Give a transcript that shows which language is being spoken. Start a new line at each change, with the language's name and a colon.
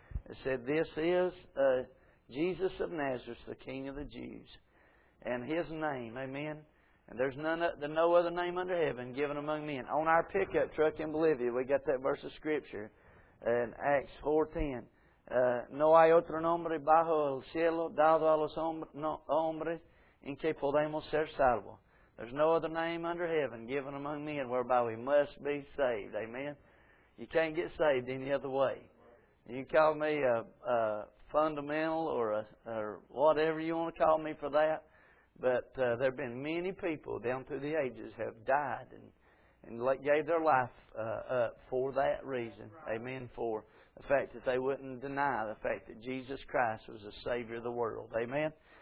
English: It said, this is Jesus of Nazareth, the King of the Jews, and His name, amen. And there's no other name under heaven given among men. On our pickup truck in Bolivia, we got that verse of Scripture in Acts 4:10.
Spanish: No hay otro nombre bajo el cielo dado a los hombres en que podemos ser salvos.
English: There's no other name under heaven given among men whereby we must be saved, amen. You can't get saved any other way. You can call me a fundamental or whatever you want to call me for that, but there have been many people down through the ages have died and gave their life up for that reason, amen, for the fact that they wouldn't deny the fact that Jesus Christ was the Savior of the world, amen.